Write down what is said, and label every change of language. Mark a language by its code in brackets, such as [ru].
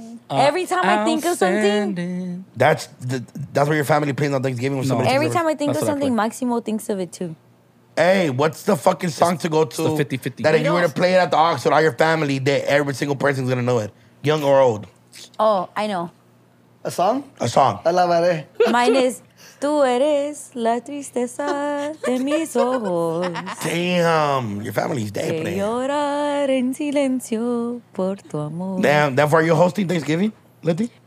[en] Every time I think of something, that's what your family plays on Thanksgiving when somebody. Every time I think of something, Maximo thinks of it too. Hey, what's the fucking song to go to? It's the 50-50. That if you were to play it at the Ox with all your family, that every single person's gonna know it, young or old. Oh, I know. A song. I love it. Mine is, [es] tú eres la tristeza de mis ojos. [en] Damn, your family's dead, man. [es] Llorar en silencio por tu amor. [en] Damn, therefore, are you hosting Thanksgiving, Leti?